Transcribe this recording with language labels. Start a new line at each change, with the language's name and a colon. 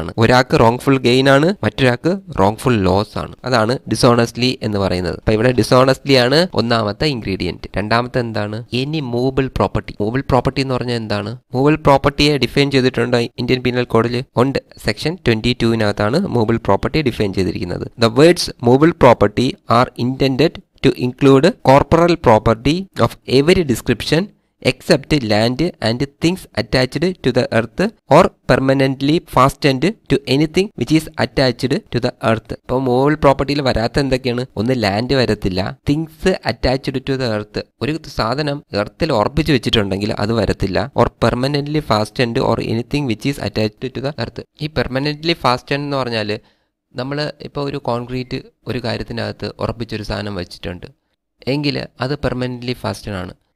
Malayalam: ഒരാൾക്ക് wrong full gain ആണ്, മറ്റൊരാൾക്ക് റോങ് ഫുൾ ലോസ് ആണ്. അതാണ് ഡിസോണസ്റ്റ്ലി എന്ന് പറയുന്നത്. അപ്പൊ ഇവിടെ ഡിസോണസ്റ്റ്ലി ആണ് ഒന്നാമത്തെ ഇൻഗ്രീഡിയന്റ്. രണ്ടാമത്തെ എന്താണ്? Any movable property. Movable property എന്ന് പറഞ്ഞാൽ എന്താണ്? മൂവബിൾ പ്രോപ്പർട്ടിയെ ഡിഫൈൻ ചെയ്തിട്ടുണ്ടോ ഇന്ത്യൻ പിനൽ കോഡിൽ? ഉണ്ട്. സെക്ഷൻ 22നകത്താണ് മൂവബിൾ പ്രോപ്പർട്ടിയെ ഡിഫൈൻ ചെയ്തിരിക്കുന്നത്.
English: The words movable property are intend to include corporeal property of every description except land and things attached to the earth or permanently fastened to anything which is attached to the earth.
Malayalam: ഇപ്പോൾ movable property യിൽ വരാത്ത എന്തൊക്കെയാണ്? ഒന്ന് land വരത്തില്ല,
English: things attached to the earth.
Malayalam: ഒരു സാധനം എർത്തിൽ ഉറപ്പിച്ച് വെച്ചിട്ടുണ്ടെങ്കിൽ അത് വരത്തില്ല.
English: Or permanently fastened or anything which is attached to the earth.
Malayalam: ഈ പെർമനൻ്റ്ലി ഫാസ്റ്റൻഡ് എന്ന് പറഞ്ഞാൽ നമ്മൾ ഇപ്പോൾ ഒരു കോൺക്രീറ്റ് ഒരു കാര്യത്തിനകത്ത് ഉറപ്പിച്ചൊരു സാധനം വെച്ചിട്ടുണ്ട് എങ്കിൽ അത് പെർമനൻ്റ്ലി ഫാസ്റ്റൻഡ് ആണ്.